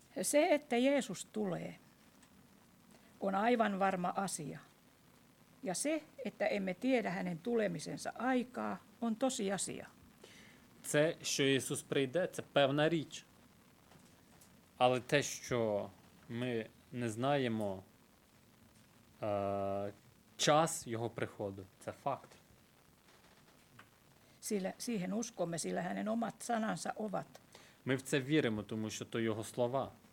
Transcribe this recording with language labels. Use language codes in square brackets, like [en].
[fi] Se, että Jeesus tulee, on aivan varma asia. Ja se, että emme tiedä hänen tulemisensa aikaa, on tosiasia. [uk] Це, що Ісус прийде, це певна річ. Але те, що ми не знаємо час його приходу, це факт. [fi] Siihen uskomme, sillä hänen omat sanansa ovat. [uk] Ми в це віримо, тому що то його слова.